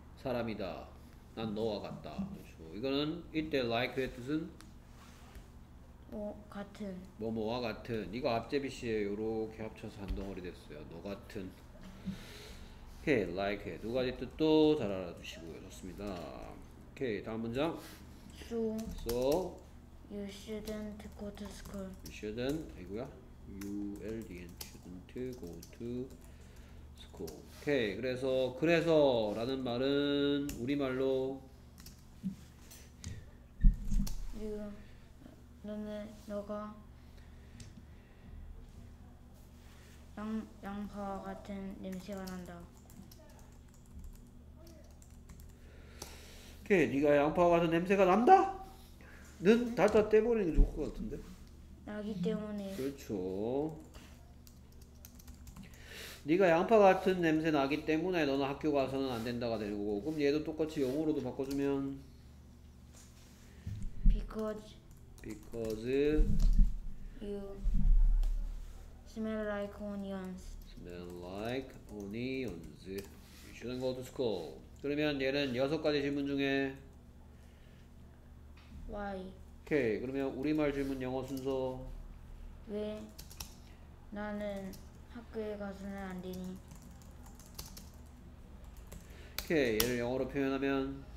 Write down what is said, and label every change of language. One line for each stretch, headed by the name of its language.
Korean: 사람이다. 난 너와 같다. 그렇죠. 이거는 이때 like에는 뭐 같은 뭐뭐와 같은 이거 앞제비씨에 요렇게 합쳐서 한 덩어리 됐어요. 너 같은. 오케이, like 두 가지 뜻도 잘 알아두시고요. 좋습니다. 오케이, 다음 문장.
English: So you shouldn't go to school. You shouldn't,
Korean: 아이고야.
English: ULDN, shouldn't go to school.
Korean: 오케이, 그래서, 그래서 라는 말은 우리말로 너는 너가 양파와 같은 냄새가 난다. 오케이, 네가 양파와 같은 냄새가 난다? 는 다 다 떼버리는 게 좋을 것 같은데? 나기 때문에. 그렇죠. 네가 양파 같은 냄새 나기 때문에 너는 학교 가서는 안 된다가 되는 거고. 그럼 얘도 똑같이 영어로도 바꿔주면
English: Because you smell like onions. Smell like onions. You shouldn't go to school.
Korean: 그러면 얘는 여섯 가지 질문 중에
English: Why?
Korean: 오케이, 그러면 우리말 질문 영어 순서. 왜 나는 학교에 가서는 안 되니? 오케이, 얘를 영어로 표현하면